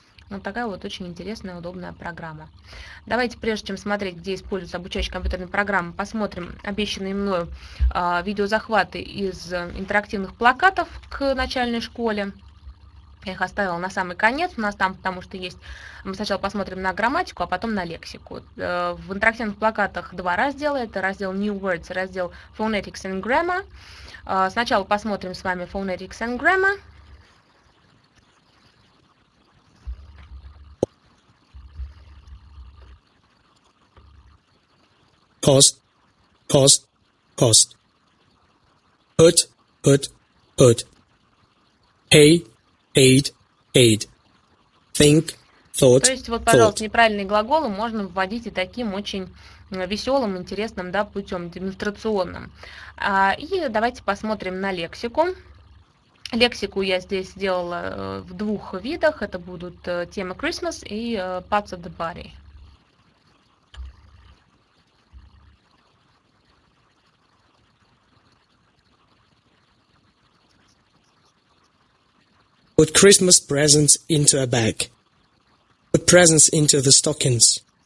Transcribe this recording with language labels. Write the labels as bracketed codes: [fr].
[ru] Вот такая вот очень интересная, удобная программа. Давайте, прежде чем смотреть, где используются обучающие компьютерные программы, посмотрим обещанные мною видеозахваты из интерактивных плакатов к начальной школе. Я их оставила на самый конец у нас там, потому что есть. Мы сначала посмотрим на грамматику, а потом на лексику. В интерактивных плакатах два раздела. Это раздел New Words, раздел Phonetics and Grammar. Сначала посмотрим с вами Phonetics and Grammar. [en] Post, post, post. Put, put, put. Pay, paid, paid. Think, thought, [ru] То есть вот, [en] thought. [ru] пожалуйста, неправильные глаголы можно вводить и таким очень веселым, интересным, да, путем, демонстрационным. И давайте посмотрим на лексику. Лексику я здесь сделала в двух видах. Это будут тема Christmas и Parts of the Body. [en] Put Christmas presents into a bag. Put presents into the stockings.